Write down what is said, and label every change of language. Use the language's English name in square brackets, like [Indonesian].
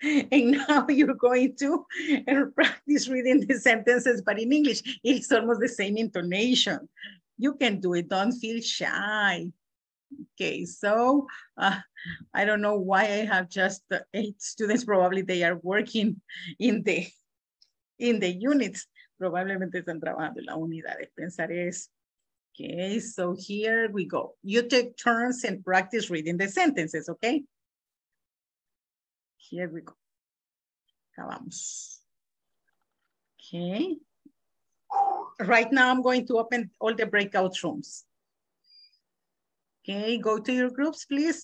[English] And now you're going to practice reading the sentences, but in English, it's almost the same intonation. You can do it, don't feel shy. Okay, so I don't know why I have just 8 students, probably they are working in the units. [Spanish] Probablemente están trabajando en la unidad, pensar es. [English] Okay, so here we go. You take turns and practice reading the sentences, okay? Here we go. Acabamos. Okay. Right now I'm going to open all the breakout rooms. Okay, go to your groups, please.